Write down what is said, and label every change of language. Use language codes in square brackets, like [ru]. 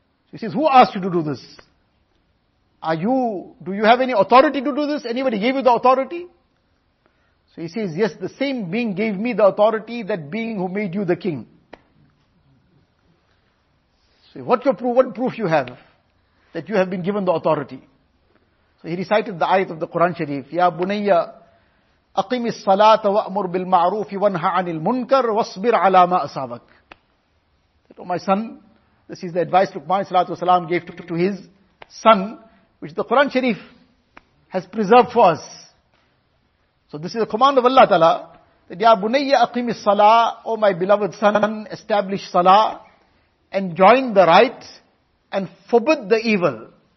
[en] He says, who asked you to do this? Do you have any authority to do this? Anybody gave you the authority? So he says, yes, the same being gave me the authority, that being who made you the king. So what proof you have that you have been given the authority? So he recited the ayat of the Quran Sharif, Ya Bunayya, [ar] أقم الصلاة وأمر بالمعروف وانهى عن المنكر واصبر على ما أصابك. [en] Oh my son, this is the advice Luqman Salatu Wasalam gave to his son, which the Quran Sharif has preserved for us. So this is the command of Allah Ta'ala, that Ya Bunayya [ar] أقم الصلاة, [en] oh my beloved son, establish salah, enjoin the right, and forbid the evil.